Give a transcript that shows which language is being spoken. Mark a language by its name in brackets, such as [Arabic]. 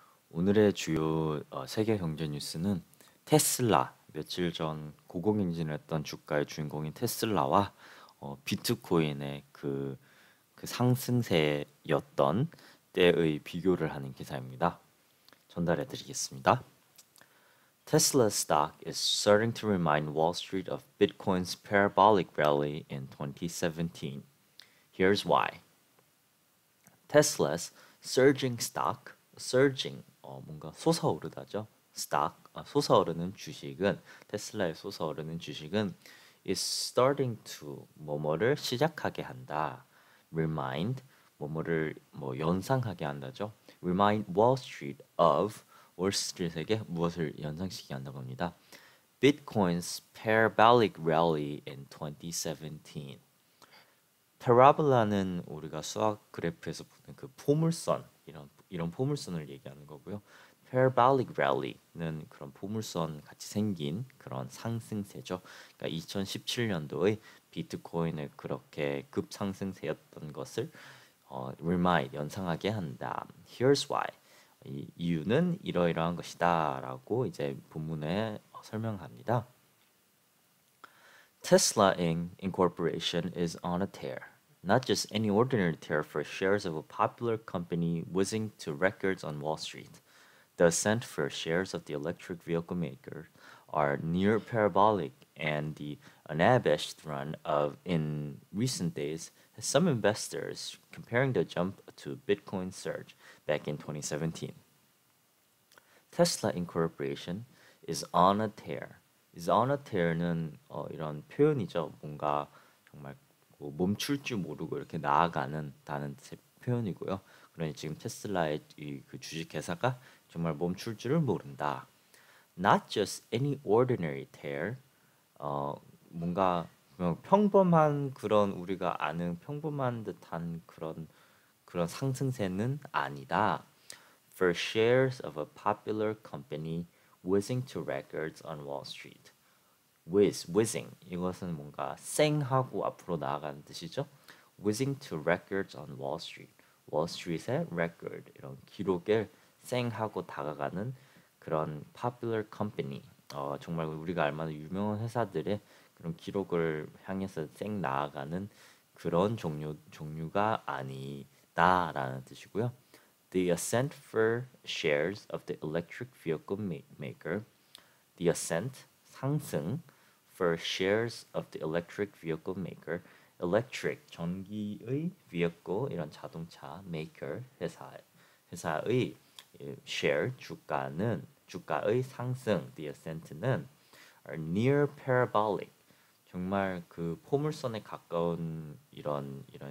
[Korean] 오늘의 주요 세계 경제 뉴스는 테슬라. 며칠 전 고공행진했던 주가의 주인공인 테슬라와 비트코인의 그 상승세였던 때의 비교를 하는 기사입니다. 전달해 드리겠습니다. [English] Tesla's stock is starting to remind Wall Street of Bitcoin's parabolic rally in 2017. Here's why. Tesla's surging stock, surging [Korean] 뭔가 솟아오르다죠. Stock 솟아오르는 주식은 테슬라의 솟아오르는 주식은 [English] is starting to [Korean] 뭐뭐를 시작하게 한다. Remind 뭐뭐를 뭐 연상하게 한다죠. [English] Remind Wall Street of [Korean] 월스트리트에게 무엇을 연상시키게 한다고 합니다. [English] Bitcoin's parabolic rally in 2017. [Korean] 파라볼라는 우리가 수학 그래프에서 보는 그 포물선, 이런 포물선을 얘기하는 거고요. Parabolic rally는 그런 포물선 같이 생긴 그런 상승세죠. 그러니까 2017년도의 비트코인의 그렇게 급상승세였던 것을 remind 연상하게 한다. [English] Here's why. [Korean] 이유는 이러이러한 것이다라고 이제 본문에 설명합니다. [English] Tesla Inc. is on a tear. Not just any ordinary tear for shares of a popular company whizzing to records on Wall Street. The ascent for shares of the electric vehicle maker are near parabolic, and the unabashed run of in recent days has some investors comparing the jump to Bitcoin surge back in 2017. Tesla Incorporation is on a tear. Is on a tear는 [Korean] 이런 표현이죠. 뭔가 정말 멈출 줄 모르고 이렇게 나아가는다는 표현이고요. 그러니 지금 테슬라의 이그 주식회사가 정말 멈출 줄을 모른다. [English] Not just any ordinary tear. [Korean] 뭔가 그냥 평범한 그런 우리가 아는 평범한 듯한 그런 상승세는 아니다. [English] For shares of a popular company whizzing to records on Wall Street. [Korean] Whizzing 이것은 뭔가 쌩하고 앞으로 나아가는 뜻이죠. [English] Whizzing to records on Wall Street. Wall Street의 record [Korean] 이런 기록에 쌩하고 다가가는 그런 [English] popular company. [Korean] 정말 우리가 알 만한 유명한 회사들의 그런 기록을 향해서 쌩 나아가는 그런 종류가 아니다라는 뜻이고요. [English] The ascent for shares of the electric vehicle maker. The ascent 상승 For shares of the electric vehicle maker, electric [Korean] 전기의 vehicle 이런 자동차 [English] maker 회사의 share 주가의 상승 the ascent는 are near parabolic [Korean] 정말 그 포물선에 가까운 이런